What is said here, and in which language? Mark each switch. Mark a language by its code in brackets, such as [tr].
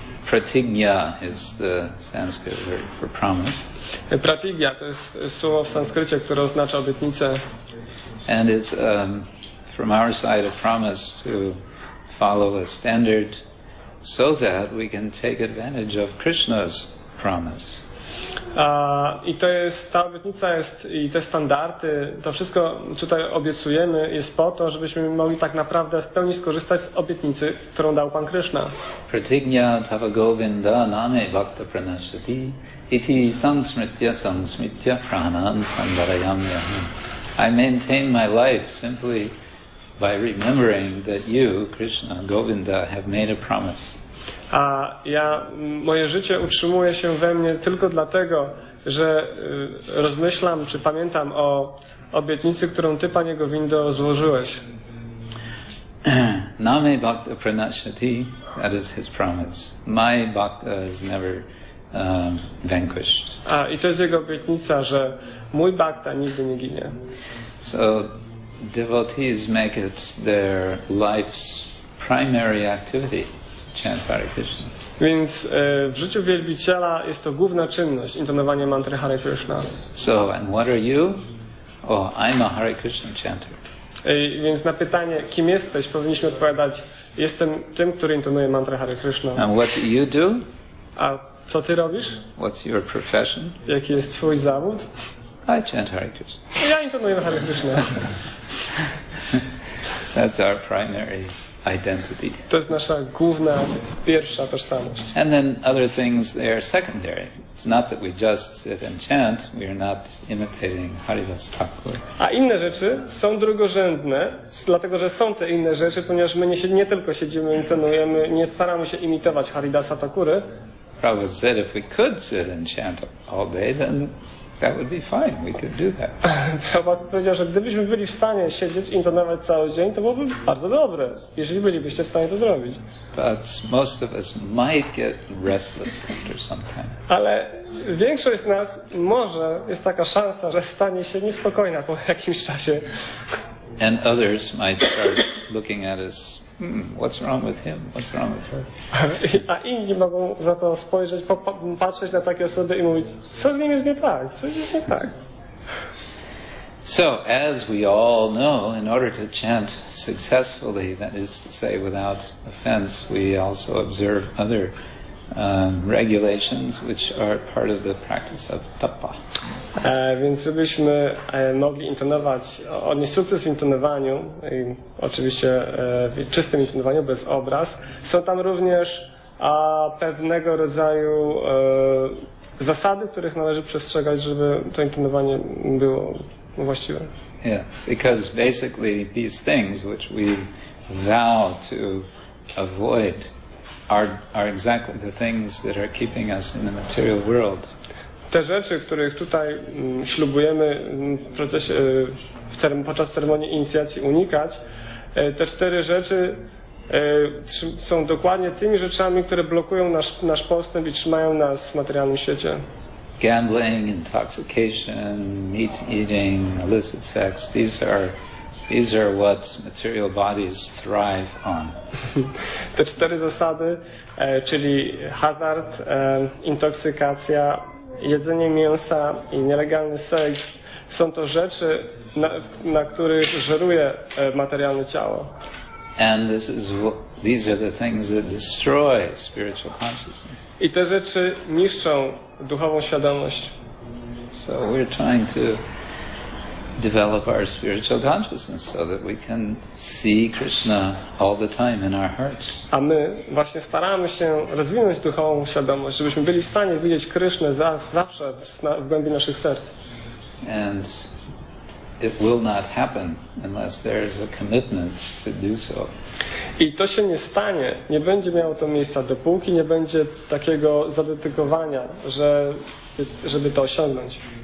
[en] Pratigya is the Sanskrit word for promise. [pl] Pratigya to jest słowo w sanskrycie, które oznacza obietnicę. [en] And it's from our side a promise to follow a standard so that we can take advantage of Krishna's promise. [pl] I to jest, ta obietnica jest i te standardy, to wszystko tutaj obiecujemy jest po to, żebyśmy mogli tak naprawdę w pełni skorzystać z obietnicy, którą dał Pan Krishna. [sa] Pratignya tava govinda name bhakta pranashati iti sansmritya sansmritya pranam sandarayamya. [en] I maintain my life simply by remembering that you, Krishna, Govinda, have made a promise. [pl] A ja, moje życie utrzymuje się we mnie tylko dlatego, że rozmyślam, czy pamiętam o obietnicy, którą ty, Panie Govindo, złożyłeś. [sa] Name bhakta pranashati, [en] that is his promise. My bhakta is never vanquished. [pl] A i to jest jego obietnica, że mój bhakta nigdy nie ginie. [en] So devotees make it their life's primary activity to chant Hare Krishna. [pl] Więc w życiu wielbiciela jest to główna czynność intonowanie mantry Hare Krishna. [en] So, and what are you? Oh, I'm a Hare Krishna chanter. [pl] Więc na pytanie, kim jesteś, powinniśmy odpowiadać, jestem tym, który intonuje mantrę Hare Krishna. [en] And what do you do? [pl] A co ty robisz? [en] What's your profession? [pl] Jaki jest twój zawód? [en] I chant Hare Krishna. [pl] Ja intonuję Hare Krishna. [en] That's our primary identity. [pl] To jest nasza główna, pierwsza tożsamość. [en] And then other things, they are secondary. It's not that we just sit and chant, we are not imitating Haridas Thakur. [pl] A inne rzeczy są drugorzędne, dlatego że są te inne rzeczy, ponieważ my nie tylko siedzimy i intonujemy, nie staramy się imitować Haridasa Thakury. [en] Prabhupada said, if we could sit and chant all day, then that would be fine. We could do that. [pl] Prabhupada powiedział, że gdybyśmy byli w stanie siedzieć i intonować cały dzień, to byłoby bardzo dobre, jeżeli bylibyście w stanie to zrobić. [en] But most of us might get restless after some time. [pl] Ale większość z nas może jest taka szansa, że stanie się niespokojna po jakimś czasie. [en] And others might start looking at us. What's wrong with him? What's wrong with her? [pl] A inni mogą za to spojrzeć, patrzeć na takie osoby i mówić, co z nim jest nie tak? Co jest nie tak? [en] So, as we all know, in order to chant successfully, that is to say without offense, we also observe other regulations which are part of the practice of tapa. [pl] Więc żebyśmy mogli intonować, odnieść sukces w intonowaniu, i oczywiście w czystym intonowaniu, bez obraz, są tam również pewnego rodzaju zasady, których należy przestrzegać, żeby to intonowanie było właściwe. [en] Yeah, because basically these things which we vow to avoid are exactly the things that are keeping us in the material world. [pl] Te rzeczy, których tutaj ślubujemy w procesie, podczas ceremonii inicjacji unikać, te cztery rzeczy są dokładnie tymi rzeczami, które blokują nasz postęp i trzymają nas w materialnym świecie. [en] Gambling, intoxication, meat eating, illicit sex, these are what material bodies thrive on. [pl] Te cztery zasady, czyli hazard, intoksykacja, jedzenie mięsa i nielegalny seks, są to rzeczy, na których żeruje materialne ciało. [en] And these are the things that destroy spiritual consciousness. [pl] I te rzeczy niszczą duchową świadomość. [en] So we're trying to develop our spiritual consciousness so that we can see Krishna all the time in our hearts. [pl] A my właśnie staramy się rozwinąć duchową świadomość, żebyśmy byli w stanie widzieć Krishnę zawsze w głębi naszych serc. [en] And it will not happen unless there is a commitment to do so. [pl] I to się nie stanie, nie będzie miało to miejsca, dopóki nie będzie takiego zadedykowania, żeby to osiągnąć.